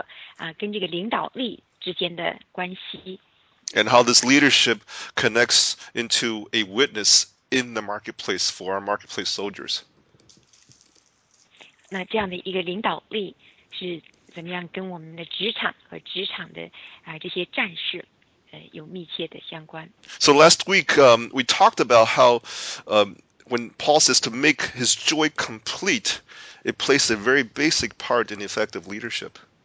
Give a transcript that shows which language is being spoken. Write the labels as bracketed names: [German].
[Chinese] 神这样一直带领我们，让我们去明白这样的一个喜乐的一个概念，而且这个喜乐跟这个领导力之间的关系。 [English] And how this leadership connects into a witness in the marketplace for our marketplace soldiers. [Chinese] 那这样的一个领导力是怎么样跟我们的职场和职场的这些战士有密切的相关。 [English] So last week we talked about how when Paul says to make his joy complete, it plays a very basic part in effective leadership.